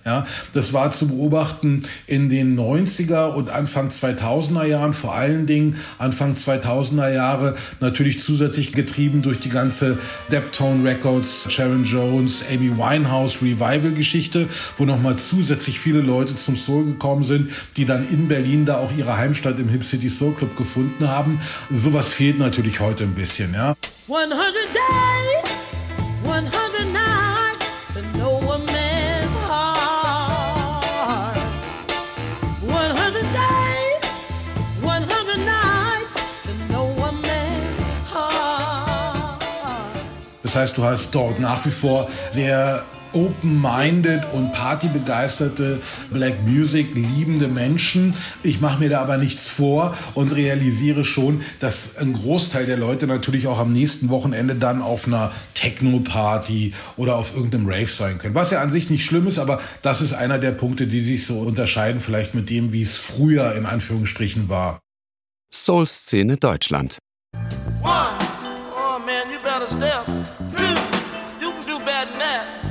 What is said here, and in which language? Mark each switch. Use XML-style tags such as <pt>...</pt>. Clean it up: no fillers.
<de>Ja, das war zu beobachten in den 90er und Anfang 2000er Jahren, vor allen Dingen Anfang 2000er Jahre, natürlich zusätzlich getrieben durch die ganze Deptone Records, Sharon Jones, Amy Winehouse Revival Geschichte, wo nochmal zusätzlich viele Leute zum Soul gekommen sind, die dann in Berlin da auch ihre Heimstatt im Hip City Soul Club gefunden haben. Sowas fehlt natürlich heute ein bisschen, ja.</de> <en>100 days, 100 nights, to know a man's heart. 100 days, 100 nights, to know a man's heart.</en> <de>Das heißt, du hast dort nach wie vor sehr open-minded und partybegeisterte Black Music liebende Menschen. Ich mache mir da aber nichts vor und realisiere schon, dass ein Großteil der Leute natürlich auch am nächsten Wochenende dann auf einer Techno-Party oder auf irgendeinem Rave sein können. Was ja an sich nicht schlimm ist, aber das ist einer der Punkte, die sich so unterscheiden vielleicht mit dem, wie es früher in Anführungsstrichen war. Soul-Szene Deutschland.</de> <en>One, oh man, you better step. Two, you can do better than that.</en>